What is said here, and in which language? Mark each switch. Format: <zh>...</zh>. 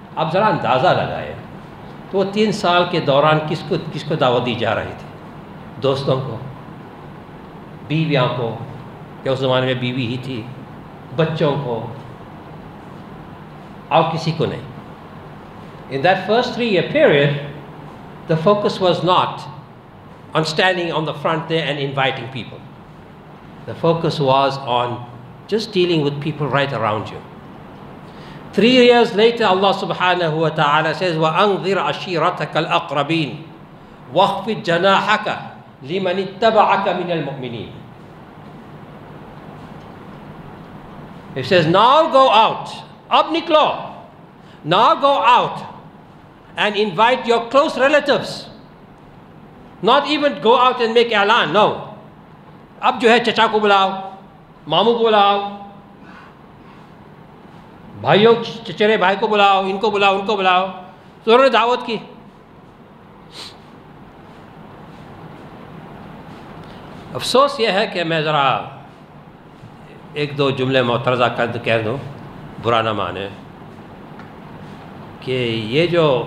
<ur>آپ ذرا اندازہ لگائے تو 3 سال کے دوران کس کو دعوت دی جا رہی تھی, دوستوں کو, بیویاں کو, کہ اس زمانے میں بیوی ہی تھی, بچوں کو, اور کسی کو نہیں.</ur> <en>In that first 3 year period the focus was not on standing on the front there and inviting people. The focus was on just dealing with people right around you. 3 years later, Allah subhanahu wa ta'ala says,</en> <ar>وَأَنْذِرْ عَشِيرَتَكَ الْأَقْرَبِينَ وَخْفِدْ جَنَاحَكَ لِمَنِ اتَّبَعَكَ مِنَ الْمُؤْمِنِينَ.</ar> <en>He says, now go out.</en> <ur>اب نکلو.</ur> <en>Now go out and invite your close relatives. Not even go out and make اعلان, no.</en> <ur>اب جو ہے چچا کو بلاؤ, مامو کو بلاؤ, بھائیوں چچرے بھائی کو بلاؤ, ان کو بلاؤ, ان کو بلاؤ. تو انہوں نے دعوت کی. افسوس یہ ہے کہ میں ذرا ایک دو جملے معترضہ کہہ دوں, برا نہ مانے, کہ یہ جو</ur>